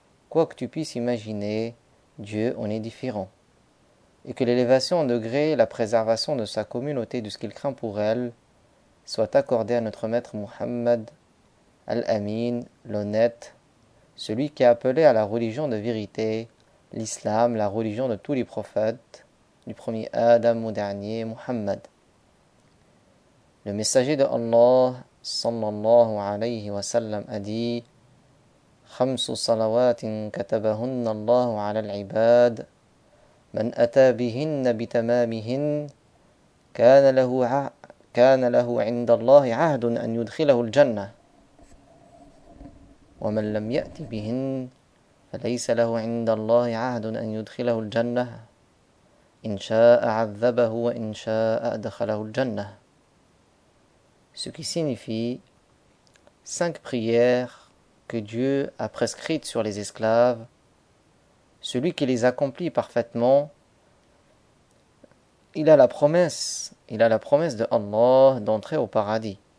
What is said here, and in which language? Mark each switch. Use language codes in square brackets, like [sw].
[fr] Quoi que tu puisses imaginer, Dieu en est différent. Et que l'élévation en degré, la préservation de sa communauté, de ce qu'il craint pour elle, soit accordée à notre maître Muhammad, Al-Amin, l'honnête, celui qui a appelé à la religion de vérité, l'islam, la religion de tous les prophètes, du premier Adam au dernier Muhammad. Le messager de Allah, sallallahu alayhi wa sallam, a dit: [ar] خمس صلوات كتبهن الله على العباد من أتى بهن بتمامهن كان له عند الله عهد أن يدخله الجنة ومن لم يأت بهن فليس له عند الله عهد أن يدخله الجنة إن شاء عذبه وإن شاء أدخله الجنة. [fr] Ce qui signifie cinq prières que Dieu a prescrite sur les esclaves, celui qui les accomplit parfaitement, il a la promesse de Allah d'entrer au paradis.